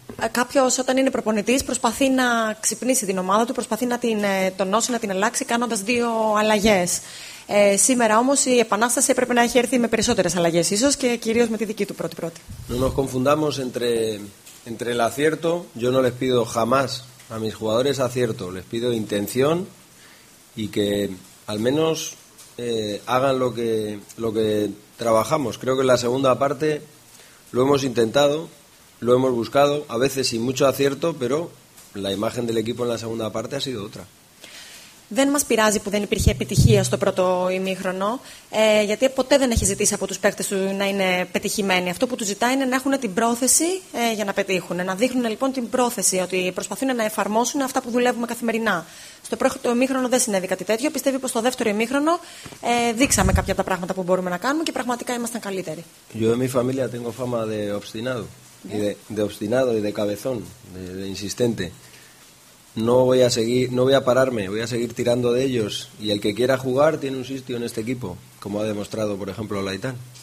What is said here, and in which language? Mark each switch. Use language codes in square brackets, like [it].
[el] Κάποιος όταν είναι προπονητής προσπαθεί να ξυπνήσει την ομάδα του, προσπαθεί να την τονώσει, να την αλλάξει κάνοντας δύο αλλαγές. Σήμερα όμως η επανάσταση έπρεπε να έχει έρθει με περισσότερες αλλαγές ίσως και κυρίως με τη δική του πρώτη. [es] No nos confundamos entre el acierto. Yo no les pido jamás a mis jugadores acierto. Les pido intención y que al menos hagan lo que trabajamos. Creo que en la segunda parte lo hemos intentado, lo hemos buscado, a veces sin mucho acierto, pero la imagen del equipo en la segunda parte ha sido otra. [el] Δεν μας πειράζει που δεν υπήρχε επιτυχία στο πρώτο ημίχρονο, γιατί ποτέ δεν έχει ζητήσει από τους παίκτες του να είναι πετυχημένοι. Αυτό που του ζητάει είναι να έχουν την πρόθεση για να πετύχουν. Να δείχνουν λοιπόν την πρόθεση, ότι προσπαθούν να εφαρμόσουν αυτά που δουλεύουμε καθημερινά. Στο πρώτο ημίχρονο δεν συνέβη κάτι τέτοιο. Πιστεύει πως στο δεύτερο ημίχρονο δείξαμε κάποια από τα πράγματα που μπορούμε να κάνουμε και πραγματικά ήμασταν καλύτεροι. [es] Yo de mi familia tengo fama de obstinado. De obstinado y de cabezón. De insistente. No voy a pararme, voy a seguir tirando de ellos y el que quiera jugar tiene un sitio en este equipo, como ha demostrado por ejemplo Laitán.